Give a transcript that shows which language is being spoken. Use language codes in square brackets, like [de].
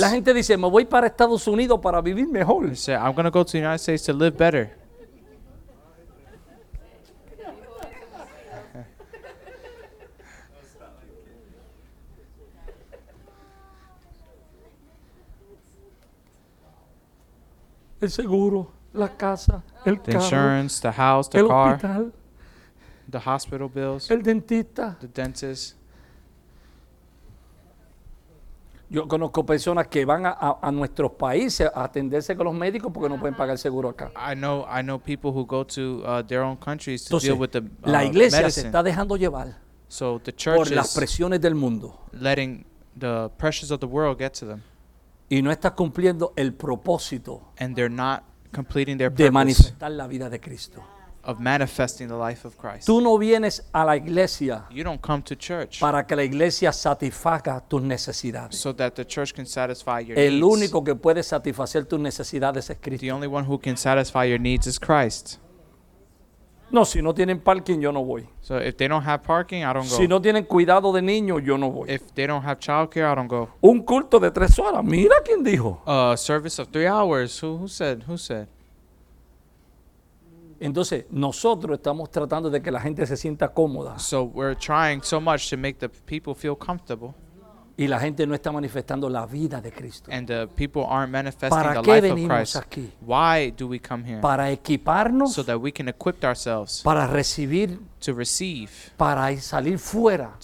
[es] La gente dice, me voy para Estados Unidos para vivir mejor. [en] Say, I'm going to go to the United States to live better. [es] El seguro, la casa, el [en] the insurance, [es] carro, [en] the house, the [es] el [en] car, [es] hospital, [en] the hospital bills, [es] el dentista, [en] the dentist. [es] Yo conozco personas que van a nuestros países a atenderse con los médicos porque no pueden pagar el seguro acá. [en] I know people who go to their own countries to [es] entonces, [en] deal with the [es] la iglesia [en] medicine. [es] Se está dejando llevar [en] so the church [es] por las presiones del mundo. [en] Letting the pressures of the world get to them. [es] Y no está cumpliendo el propósito [en] and they're not completing their [es] de manifestar la vida de Cristo. [en] of manifesting the life of Christ. [es] Tú no vienes a la iglesia. [en] You don't come to church. [es] Para que la iglesia satisfaga tus necesidades. [en] So that the church can satisfy your [es] el [en] needs. [es] El único que puede satisfacer tus necesidades es Cristo. [en] The only one who can satisfy your needs is Christ. [es] No, si no tienen parking, yo no voy. [en] So if they don't have parking, I don't go. [es] Si no tienen cuidado de niños, yo no voy. [en] If they don't have childcare, I don't go. [es] Un culto de tres horas, mira quién dijo. [en] A service of 3 hours. Who said? [es] Entonces, nosotros estamos tratando de que la gente se sienta cómoda. [en] So we're trying so much to make the people feel comfortable. [es] Y la gente no está manifestando la vida de Cristo. [en] And the people aren't manifesting [es] ¿para [en] the life of Christ. [es] Aquí? [en] Why do we come here? [es] Para equiparnos. [en] So that we can equip ourselves. [es] Para recibir. [en] To receive. [es] Para salir fuera.